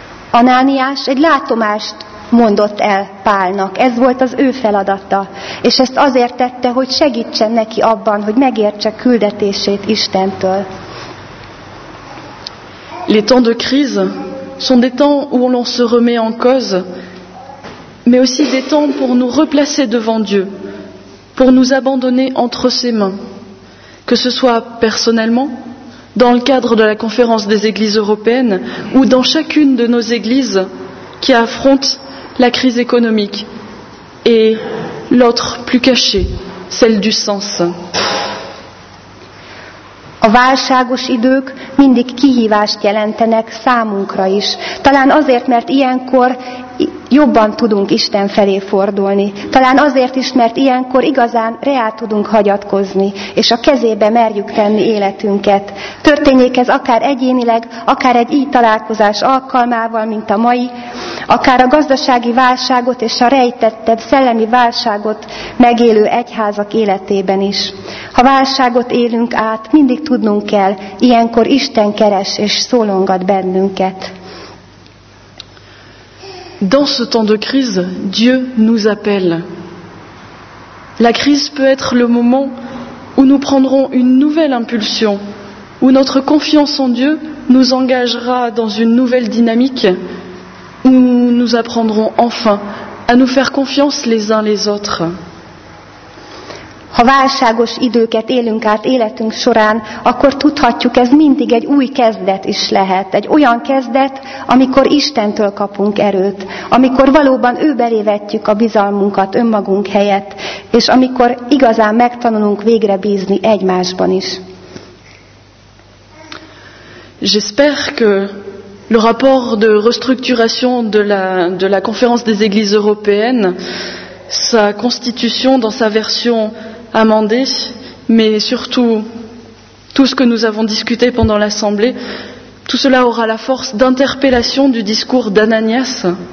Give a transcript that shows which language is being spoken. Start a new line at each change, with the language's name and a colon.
Hungarian: Ananias egy látomást mondott el Pálnak. Ez volt az ő feladata, és ezt azért tette, hogy segítsen neki abban, hogy megértse küldetését Istentől.
French: Les temps de crise sont des temps où l'on se remet en cause, mais aussi des temps pour nous replacer devant Dieu, pour nous abandonner entre ses mains, que ce soit personnellement, dans le cadre de la conférence des églises européennes ou dans chacune de nos églises qui affrontent la crise économique et l'autre plus cachée, celle du sens.
Hungarian: A válságos idők mindig kihívást jelentenek számunkra is. Talán azért, mert ilyenkor jobban tudunk Isten felé fordulni. Talán azért is, mert ilyenkor igazán reá tudunk hagyatkozni, és a kezébe merjük tenni életünket. Történjék ez akár egyénileg, akár egy így találkozás alkalmával, mint a mai, akár a gazdasági válságot és a rejtettebb szellemi válságot megélő egyházak életében is. Ha válságot élünk át, mindig tudnunk kell, ilyenkor Isten keres és szólongat bennünket.
French: Dans ce temps de crise, Dieu nous appelle. La crise peut être le moment où nous prendrons une nouvelle impulsion, où notre confiance en Dieu nous engagera dans une nouvelle dynamique, où nous apprendrons enfin à nous faire confiance les uns les autres.
Hungarian: Ha válságos időket élünk át életünk során, akkor tudhatjuk, ez mindig egy új kezdet is lehet. Egy olyan kezdet, amikor Istentől kapunk erőt, amikor valóban őbelé vetjük a bizalmunkat önmagunk helyett, és amikor igazán megtanulunk végre bízni egymásban is.
French: J'espère que le rapport de restructuration de la conférence des églises européennes, sa constitution dans sa version amendé, mais surtout tout ce que nous avons discuté pendant l'Assemblée, tout cela aura la force d'interpellation du discours d'Ananias.